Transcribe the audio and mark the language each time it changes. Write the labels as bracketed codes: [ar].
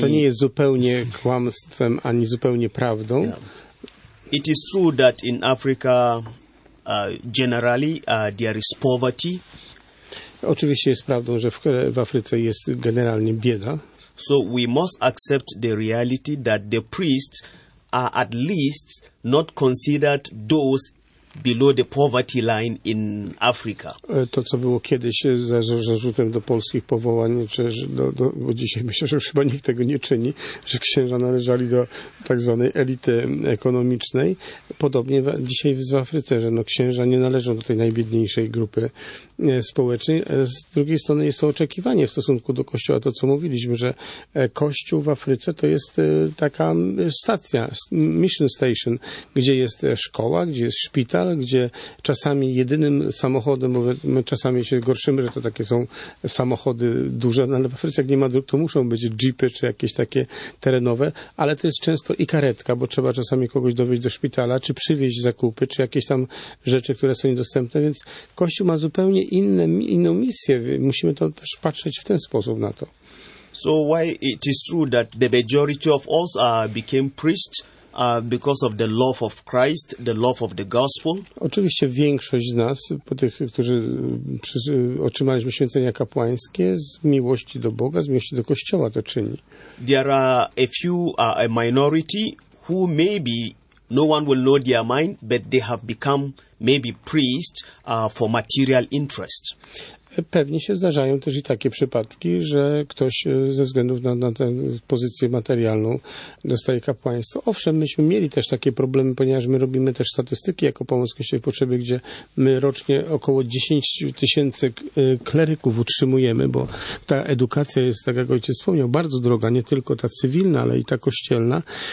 [pl] To nie jest zupełnie kłamstwem, ani zupełnie prawdą. [en] Yeah. It is true that in Africa, generally, there is poverty. [pl] Oczywiście jest prawdą, że w Afryce jest generalnie bieda. [en] So we must accept the reality that the priests are at least not considered those below the poverty line in Africa. [pl] To, co było kiedyś zarzutem do polskich powołań, czy do, bo dzisiaj myślę, że już chyba nikt tego nie czyni, że księża należali do tak zwanej elity ekonomicznej. Podobnie dzisiaj w Afryce, że no, księża nie należą do tej najbiedniejszej grupy społecznej. Z drugiej strony jest to oczekiwanie w stosunku do Kościoła, to co mówiliśmy, że Kościół w Afryce to jest taka stacja, [en] mission station, [pl] gdzie jest szkoła, gdzie jest szpital, gdzie czasami jedynym samochodem, bo my czasami się gorszymy, że to takie są samochody duże, no ale w Afryce jak nie ma dróg, to muszą być jeepy czy jakieś takie terenowe, ale to jest często i karetka, bo trzeba czasami kogoś dowieźć do szpitala, czy przywieźć zakupy, czy jakieś tam rzeczy, które są niedostępne, więc Kościół ma zupełnie inną misję. Musimy to też patrzeć w ten sposób na to. [en] So why it is true that the majority of us became priests? Because of the love of Christ, the love of the gospel. [pl] Oczywiście większość z nas, po tych, którzy otrzymaliśmy święcenia kapłańskie, z miłości do Boga, z miłości do Kościoła to czyni. [en] There are a few, a minority, who maybe no one will know their mind, but they have become maybe priests for material interest. [pl] Pewnie się zdarzają też i takie przypadki, że ktoś ze względów na tę pozycję materialną dostaje kapłaństwo. Owszem, myśmy mieli też takie problemy, ponieważ my robimy też statystyki jako Pomoc Kościoła w Potrzebie, gdzie my rocznie około 10 tysięcy kleryków utrzymujemy, bo ta edukacja jest, tak jak ojciec wspomniał, bardzo droga, nie tylko ta cywilna, ale i ta kościelna.